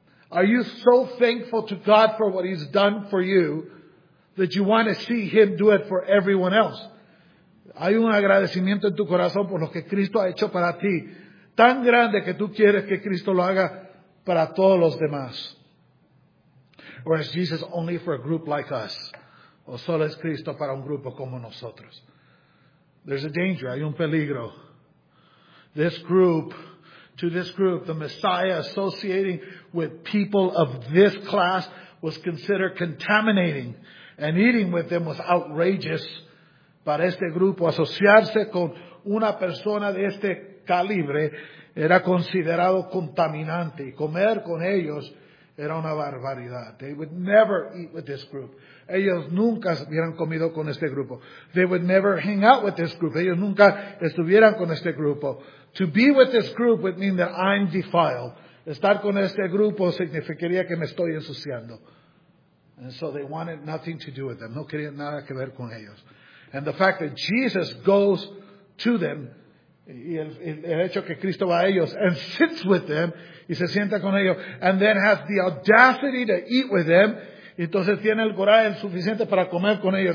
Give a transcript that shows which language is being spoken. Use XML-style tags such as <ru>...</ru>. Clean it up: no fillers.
<en>Are you so thankful to God for what He's done for you that you want to see Him do it for everyone else?</en> <es>Hay un agradecimiento en tu corazón por lo que Cristo ha hecho para ti. Tan grande que tú quieres que Cristo lo haga para todos los demás.</es> <en>Or is Jesus only for a group like us?</en> <es>¿O solo es Cristo para un grupo como nosotros?</es> <en>There's a danger.</en> <es>Hay un peligro.</es> <en>To this group, the Messiah associating with people of this class was considered contaminating. And eating with them was outrageous.</en> <es>Para este grupo, asociarse con una persona de este calibre era considerado contaminante. Y comer con ellos era una barbaridad.</es> <en>They would never eat with this group.</en> <es>Ellos nunca hubieran comido con este grupo.</es> <en>They would never hang out with this group.</en> <es>Ellos nunca estuvieran con este grupo.</es> <en>To be with this group would mean that I'm defiled.</en> <es>Estar con este grupo significaría que me estoy ensuciando.</es> <en>And so they wanted nothing to do with them.</en> <es>No querían nada que ver con ellos.</es> <en>And the fact that Jesus goes to them,</en> <es>y el hecho que Cristo va a ellos,</es> <en>and sits with them,</en> <es>y se sienta con ellos,</es> <en>and then has the audacity to eat with them,</en> <es>entonces tiene el coraje suficiente para comer con ellos.</es>